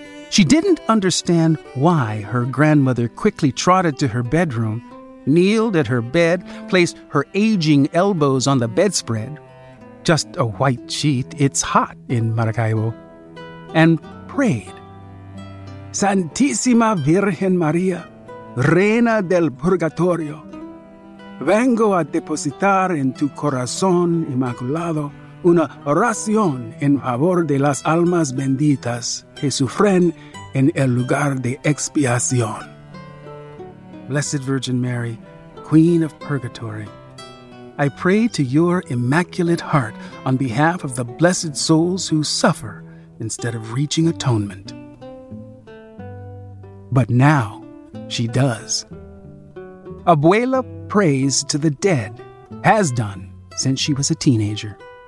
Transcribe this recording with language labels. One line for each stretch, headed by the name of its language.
English: She didn't understand why her grandmother quickly trotted to her bedroom, kneeled at her bed, placed her aging elbows on the bedspread, just a white sheet, it's hot in Maracaibo, and prayed.
Spanish: Santissima Virgen Maria, Reina del Purgatorio, vengo a depositar en tu corazón inmaculado una oración en favor de las almas benditas que sufren en el lugar de expiación.
English: Blessed Virgin Mary, Queen of Purgatory, I pray to your Immaculate Heart on behalf of the blessed souls who suffer instead of reaching atonement. But now she does. Abuela prays to the dead, has done since she was a teenager.